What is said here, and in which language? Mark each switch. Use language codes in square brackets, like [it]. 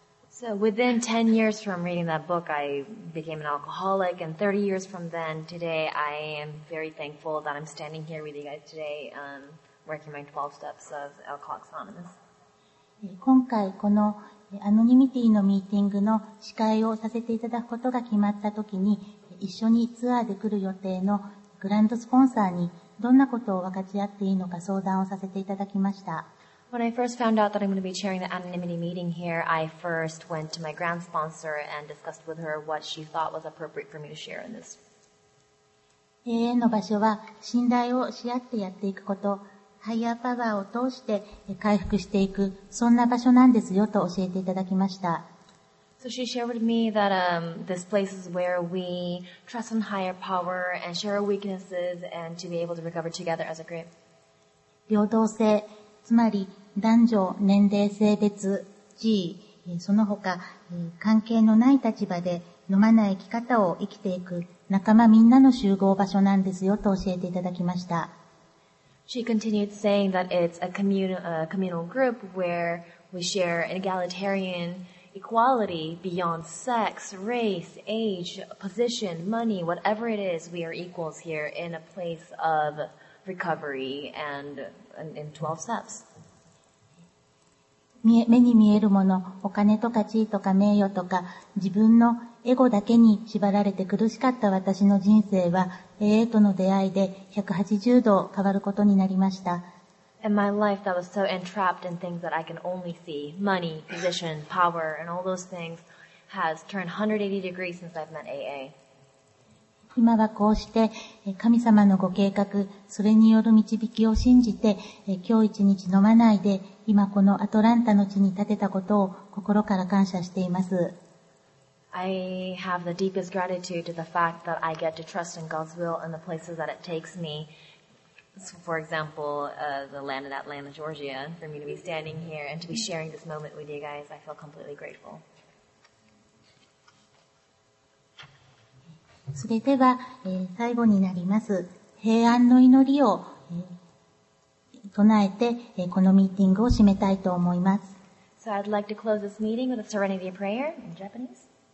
[en] So within 10 years from reading that book, I became an alcoholic, and 30 years from then, today, I am very thankful that I'm standing here with you guys today, working my 12 steps of Alcoholics Anonymous. [ja] 今回、このアノニミティのミーティングの司会をさせていただくことが決まったときに、一緒にツアーで来る予定のグランドスポンサーにどんなことを分かち合っていいのか相談をさせていただきました。 [en] When I first found out that I'm going to be chairing the anonymity meeting here, I first went to my grand sponsor and discussed with her what she thought was appropriate for me to share in this. [ja] AA の場所は信頼をし合ってやっていくこと、ハイアーパワーを通して回復していく、そんな場所なんですよと教えていただきました。 [en] So she shared with me that this place is where we trust in higher power and share our weaknesses and to be able to recover together as a group. [ja] 平等性、つまり男女、年齢、性別、地位、その他関係のない立場で飲まない生き方を生きていく仲間みんなの集合場所なんですよと教えていただきました。 [en] She continued saying that it's a communal group where we share egalitarian equality beyond sex, race, age, position, money, whatever it is, we are equals here in a place of recovery and in 12 steps. [ja] 目に見えるもの、お金とか地位とか名誉とか、自分のエゴだけに縛られて苦しかった私の人生は、AA との出会いで180度変わることになりました。 [en] And my life that was so entrapped in things that I can only see, money, position, power, and all those things, has turned 180 degrees since I've met AA. [ja] 今はこうして神様のご計画、それによる導きを信じて、今日一日飲まないで、今このアトランタの地に立てたことを心から感謝しています。 [en] I have the deepest gratitude to the fact that I get to trust in God's will and the places that it takes me. So for example, the land of Atlanta, Georgia, for me to be standing here and to be sharing this moment with you guys, I feel completely grateful. [ja] それでは、最後になります。平安の祈りを、唱えて、このミーティングを締めたいと思います。 [en] So I'd like to close this meeting with a serenity prayer in Japanese.